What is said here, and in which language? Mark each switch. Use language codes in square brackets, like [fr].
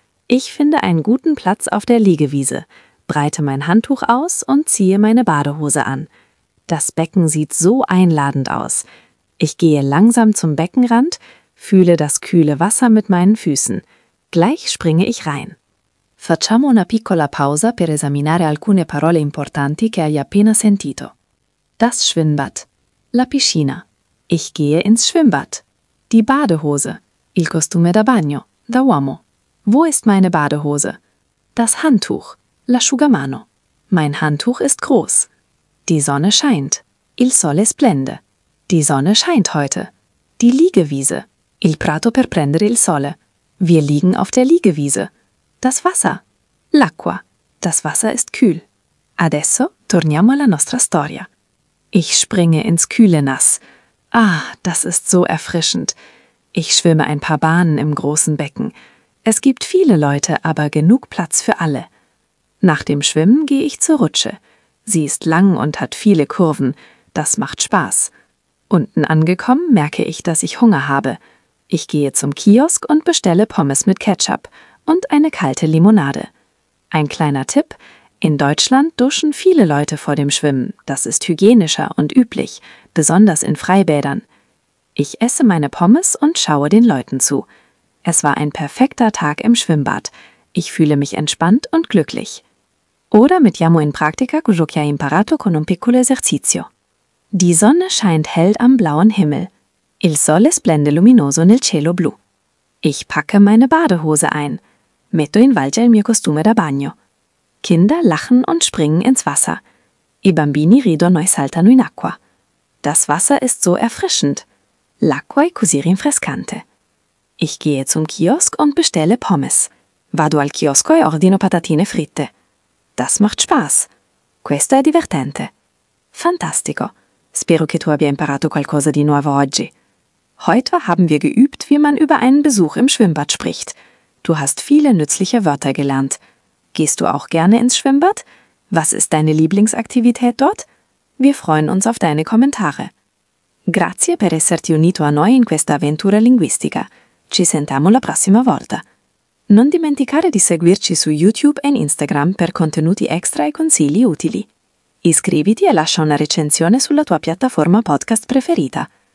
[de] Ich finde einen guten Platz auf der Liegewiese, breite mein Handtuch aus und ziehe meine Badehose an. Das Becken sieht so einladend aus. Ich gehe langsam zum Beckenrand, fühle das kühle Wasser mit meinen Füßen. Gleich springe ich rein. [it] Facciamo una piccola pausa per esaminare alcune parole importanti che hai appena sentito. [de] Das Schwimmbad. [it] La piscina. [de] Ich gehe ins Schwimmbad. Die Badehose. [it] Il costume da bagno. Da uomo. [de] Wo ist meine Badehose? Das Handtuch. [it] L'asciugamano. [de] Mein Handtuch ist groß. Die Sonne scheint. [it] Il sole splende. [de] Die Sonne scheint heute. Die Liegewiese. [it] Il prato per prendere il sole. [de] Wir liegen auf der Liegewiese. Das Wasser. [it] L'acqua. [de] Das Wasser ist kühl. [it] Adesso torniamo alla nostra storia. [de] Ich springe ins kühle Nass. Ah, das ist so erfrischend. Ich schwimme ein paar Bahnen im großen Becken. Es gibt viele Leute, aber genug Platz für alle. Nach dem Schwimmen gehe ich zur Rutsche. Sie ist lang und hat viele Kurven. Das macht Spaß. Unten angekommen merke ich, dass ich Hunger habe. Ich gehe zum Kiosk und bestelle Pommes mit Ketchup und eine kalte Limonade. Ein kleiner Tipp: In Deutschland duschen viele Leute vor dem Schwimmen. Das ist hygienischer und üblich, besonders in Freibädern. Ich esse meine Pommes und schaue den Leuten zu. Es war ein perfekter Tag im Schwimmbad. Ich fühle mich entspannt und glücklich. [it] Ora mettiamo in pratica quello che hai imparato con un piccolo esercizio. [de] Die Sonne scheint hell am blauen Himmel. [it] Il sole splende luminoso nel cielo blu. [de] Ich packe meine Badehose ein. [it] Metto in valigia il mio costume da bagno. [de] Kinder lachen und springen ins Wasser. [it] I bambini ridono e saltano in acqua. [de] Das Wasser ist so erfrischend. [it] L'acqua è così rinfrescante. [de] Ich gehe zum Kiosk und bestelle Pommes. [it] Vado al chiosco e ordino patatine fritte. [de] Das macht Spaß. [it] Questo è divertente. Fantastico. Spero che tu abbia imparato qualcosa di nuovo oggi. [de] Heute haben wir geübt, wie man über einen Besuch im Schwimmbad spricht. Du hast viele nützliche Wörter gelernt. Gehst du auch gerne ins Schwimmbad? Was ist deine Lieblingsaktivität dort? Wir freuen uns auf deine Kommentare. [it] Grazie per esserti unito a noi in questa avventura linguistica. Ci sentiamo la prossima volta. Non dimenticare di seguirci su YouTube e Instagram per contenuti extra e consigli utili. Iscriviti e lascia una recensione sulla tua piattaforma podcast preferita.